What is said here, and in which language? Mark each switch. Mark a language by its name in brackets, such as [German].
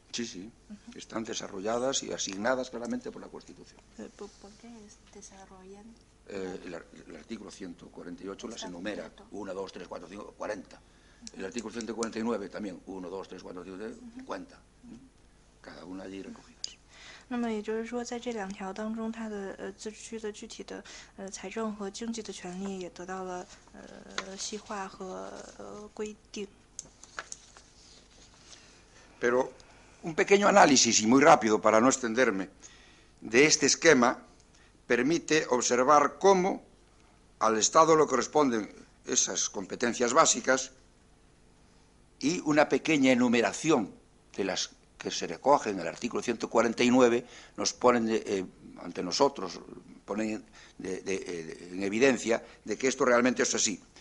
[Spanish] Sí, sí, están desarrolladas y asignadas claramente por la Constitución. ¿Por qué desarrollan? El artículo 148 las enumera: 1, 2, 3, 4, 5, 40. El artículo 149 también, 1, 2, 3, 4, 5, 6, 50, cada una allí recogida. [Chinese] 那么也就是说在这两条当中它的自治区的具体的财政和经济的权利也得到了细化和规定。 [Spanish] Pero un pequeño análisis, y muy rápido para no extenderme, de este esquema permite observar cómo al Estado le corresponden esas competencias básicas y una pequeña enumeración de las que se recogen en el artículo 149 nos ponen ante nosotros, ponen en evidencia de que esto realmente es así.